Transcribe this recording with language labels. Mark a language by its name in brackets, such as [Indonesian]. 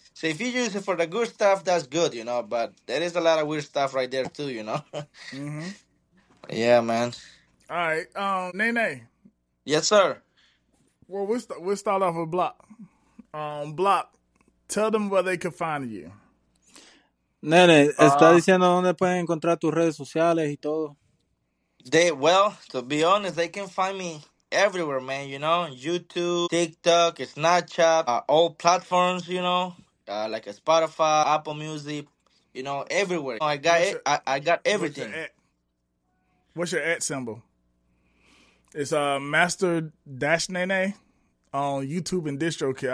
[English] So if you use it for the good stuff, that's good, you know. But there is a lot of weird stuff right there too, you know. Mm-hmm. Yeah, man. All right, Nene. Yes, sir. Well, we'll start off with Block. Block, tell them where they can find you. [Spanish] Nene, está diciendo dónde pueden encontrar tus redes sociales y todo. [English] To be honest, they can find me everywhere, man. You know, YouTube, TikTok, Snapchat, all platforms. You know, like Spotify, Apple Music. You know, everywhere. You know, I got everything. What's your at symbol? It's Master Dash Nene on YouTube and DistroKid.